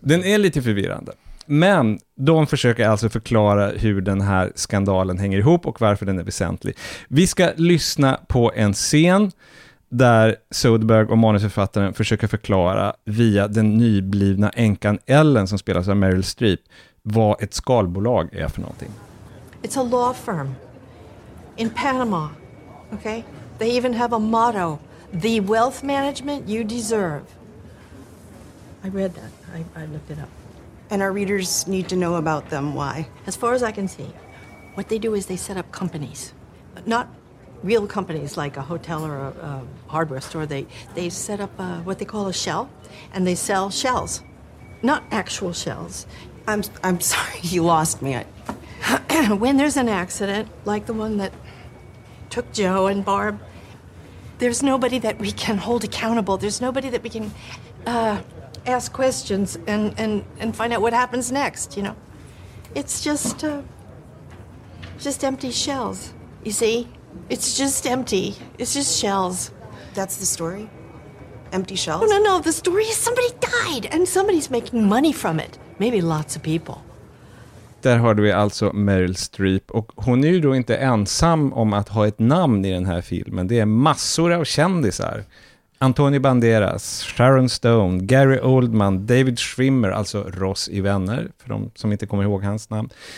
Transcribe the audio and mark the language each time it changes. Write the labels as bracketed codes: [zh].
[sv] Den är lite förvirrande. Men de försöker alltså förklara hur den här skandalen hänger ihop och varför den är väsentlig. Vi ska lyssna på en scen där Soderbergh och manusförfattaren försöker förklara via den nyblivna änkan Ellen, som spelas av Meryl Streep, vad ett skalbolag är för någonting. [en] It's a law firm in Panama. Okay? They even have a motto: the wealth management you deserve. I read that. I looked it up. And our readers need to know about them. Why? As far as I can see, what they do is they set up companies. Not real companies like a hotel or a hardware store. They set up a, what they call a shell, and they sell shells. Not actual shells. I'm sorry, you lost me. When there's an accident, like the one that took Joe and Barb, there's nobody that we can hold accountable. There's nobody that we can... ask questions and find out what happens next, you know. It's just empty shells, you see? It's just empty. It's just shells. That's the story? Empty shells? Oh, no. The story is somebody died and somebody's making money from it. Maybe lots of people. [sv] Där hörde vi alltså Meryl Streep, och hon är ju då inte ensam om att ha ett namn i den här filmen. Det är massor av kändisar. Antonio Banderas, Sharon Stone, Gary Oldman, David Schwimmer, alltså Ross i Vänner, för de som inte kommer ihåg hans namn.